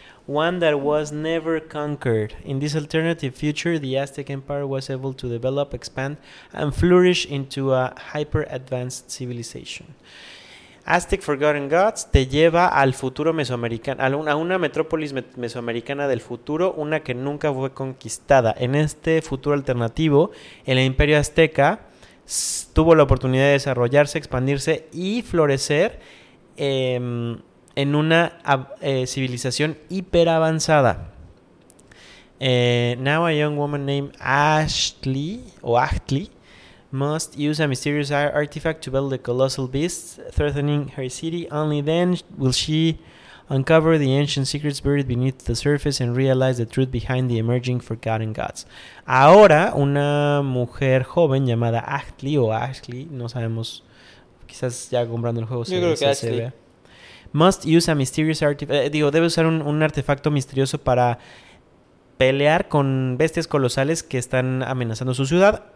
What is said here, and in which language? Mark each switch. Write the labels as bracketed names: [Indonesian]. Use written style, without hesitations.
[English] One that was never conquered. In this alternative future, the Aztec Empire was able to develop, expand, and flourish into a hyper-advanced civilization. [Spanish] Aztec Forgotten Gods te lleva al futuro mesoamericano, a una metrópolis mesoamericana del futuro, una que nunca fue conquistada. En este futuro alternativo, el Imperio Azteca tuvo la oportunidad de desarrollarse, expandirse y florecer en una civilización hiper avanzada. [English] Now a young woman named Achtli must use a mysterious artifact to battle the colossal beast threatening her city. Only then will she uncover the ancient secrets buried beneath the surface and realize the truth behind the emerging forgotten gods. [Spanish] Ahora, una mujer joven llamada Achtli o Achtli, no sabemos, quizás ya comprando el juego se vea. [English] Must use a mysterious artifact. [Spanish] Debe usar un artefacto misterioso para pelear con bestias colosales que están amenazando su ciudad.